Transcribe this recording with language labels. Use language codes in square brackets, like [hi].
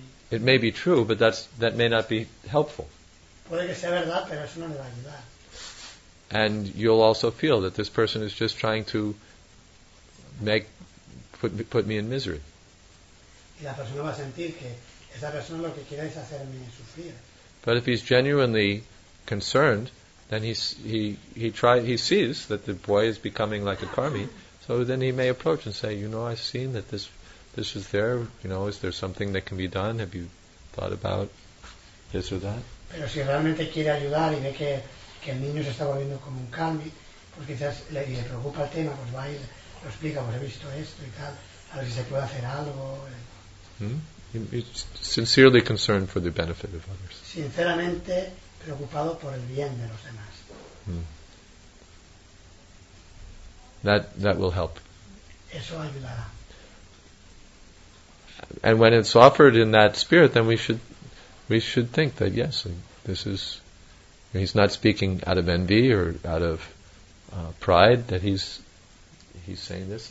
[en] It may be true, but that may not be helpful. [es] Puede que sea verdad, pero eso no le va a ayudar. [en] And you'll also feel that this person is just trying to put me in misery. [es] Y la persona va a sentir que esa persona lo que quiere es hacerme sufrir. [en] But if he's genuinely concerned, then he sees that the boy is becoming like a karmi, so then he may approach and say, you know, I've seen that this is there, you know, is there something that can be done? Have you thought about this or that? [es] Pero si realmente quiere ayudar y ve que el niño se está volviendo como un karmi, pues quizás le preocupa el tema, pues va y lo explica, pues he visto esto y tal, a ver si se puede hacer algo. [en] He's sincerely concerned for the benefit of others. [es] Sinceramente preocupado por el bien de los demás. [en] That will help. [es] Eso ayudará. [en] And when it's offered in that spirit, then we should think that yes, this is, he's not speaking out of envy or out of pride, that he's saying this.